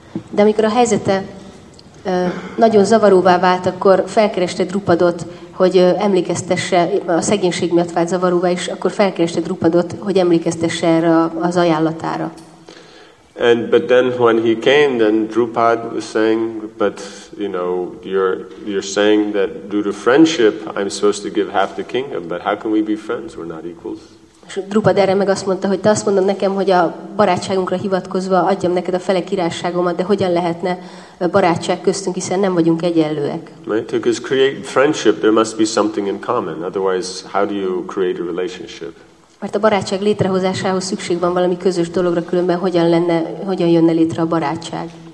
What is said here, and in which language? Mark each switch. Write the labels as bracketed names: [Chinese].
[Hungarian] De amikor a helyzete nagyon zavaróvá vált, akkor felkereste Drupadot, hogy emlékeztesse, a szegénység miatt vált zavaróvá, és akkor felkereste Drupadot, hogy emlékeztesse erre az ajánlatára. [English] And but then when he came, then Drupad was saying, but you know, you're saying that due to friendship I'm supposed to give half the kingdom, but how can we be friends? We're not equals. [Hungarian] És Drupad erre meg azt mondta, hogy te azt mondod nekem, hogy a barátságunkra hivatkozva adjam neked a fele királyságomat, de hogyan lehetne barátság köztünk, hiszen nem vagyunk egyenlőek. [English] Right, because create friendship, there must be something in common. Otherwise, how do you create a relationship? [Hungarian] Mert a barátság létrehozásához szükség van valami közös dologra, különben hogyan lenne, hogyan jönne létre a barátság.